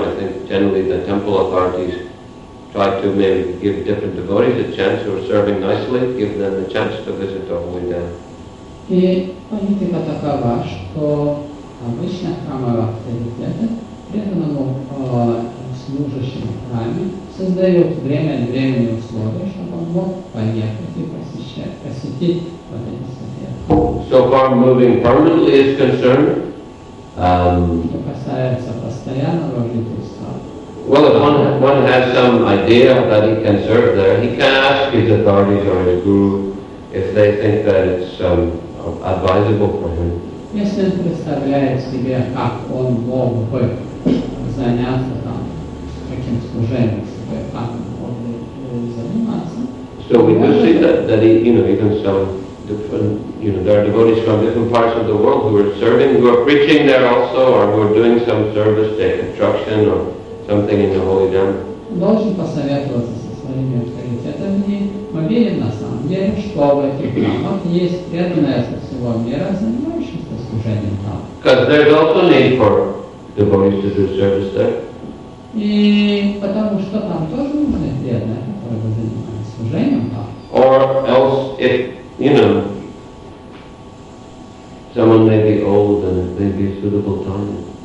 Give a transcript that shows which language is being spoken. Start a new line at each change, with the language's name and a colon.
English: I think generally the temple authorities try to maybe give different devotees a chance who are serving nicely, give them the chance to visit the holy den.
Russian: И политика такова, что обычно храмовые авторитеты преданному служащему храме создают время от времени условия, чтобы он мог поехать и посетить вот эти советы.
English: So far moving permanently is concerned.
Russian: Что касается постоянного жительства.
English: Well, if one has some idea that he can serve there, he can ask his authorities or his guru if they think that it's advisable for him.
Russian: Если он представляет себе, как он мог бы заняться там таким служением, как он мог бы заниматься.
English: So we do see that he, you know, even some different, you know, there are devotees from different parts of the world who are serving, who are preaching there also, or who are doing some service, say construction or something in the holy den.
Russian: Должен посоветоваться со своими авторитетами. Мы верим на самом деле, что в этих храмах есть преданное со всего мира, занимающееся служением там.
English: Because there is also need for devotees to do service there.
Russian: И потому что там тоже нужны преданные, которые занимаются служением там.
English: Or else, if, you know, someone may be old and it may be a suitable time.